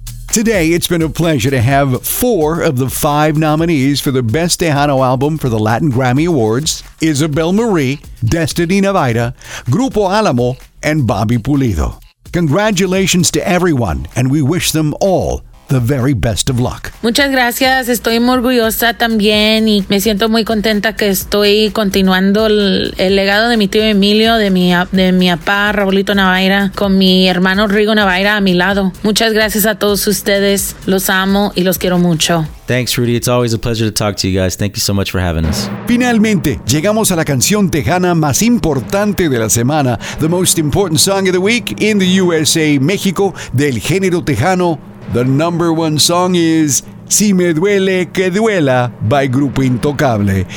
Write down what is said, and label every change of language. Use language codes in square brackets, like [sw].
[en] Today, it's been a pleasure to have 4 of the 5 nominees for the Best Tejano Album for the Latin Grammy Awards: Isabel Marie, Destiny Navaira, Grupo Alamo, and Bobby Pulido. Congratulations to everyone, and we wish them all the very best of luck. [es] Muchas gracias. Estoy muy orgullosa también y me siento muy contenta que estoy continuando el legado de mi tío Emilio, de mi papá Raulito Navaira, con mi hermano Rigo Navaira a mi lado. Muchas gracias a todos ustedes. Los amo y los quiero mucho. [en] Thanks, Rudy. It's always a pleasure to talk to you guys. Thank you so much for having us. [es] Finalmente, llegamos a la canción tejana más importante de la semana, [en] the most important song of the week in the USA, [es] México, del género tejano. [en] The number one song is Si Me Duele Que Duela by Grupo Intocable.